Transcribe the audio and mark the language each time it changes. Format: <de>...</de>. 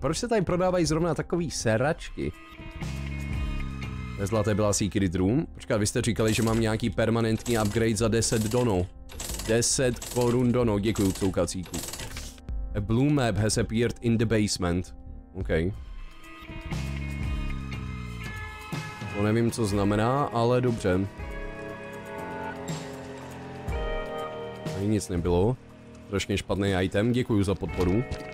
<cs>Proč se tady prodávají zrovna takový seračky? Zlaté byla Secret Room. Počkat, vy jste říkali, že mám nějaký permanentní upgrade za 10 dono. 10 korun dono, děkuju, soukacíku.</cs> <en>A blue map has appeared in the basement. OK.</en> <cs>To nevím, co znamená, ale dobře. Ani nic nebylo. Strašně špatný item, děkuju za podporu.</cs>